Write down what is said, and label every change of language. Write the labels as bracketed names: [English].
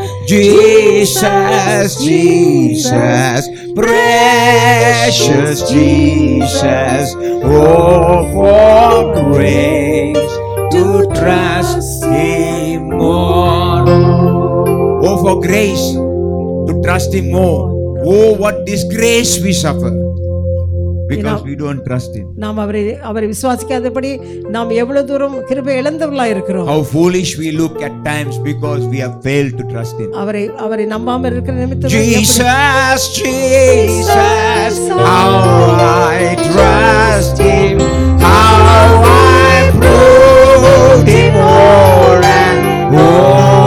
[English] Jesus, Jesus, precious Jesus, oh, for grace to trust him more. Oh, for grace to trust him more. Oh, what disgrace we suffer. Because we don't trust him. [Tamil] நாம் அவரை விசுவாசிக்காதபடி நாம் எவ்வளவு தூரம் கிருபை இழந்தவர்களாக இருக்கிறோம். [English] How foolish we look at times because we have failed to trust him. [Tamil] அவரை நம்பாமல் இருக்கிற நிமித்தம். [English] Jesus, Jesus, how I trust him, how I proved him more and more.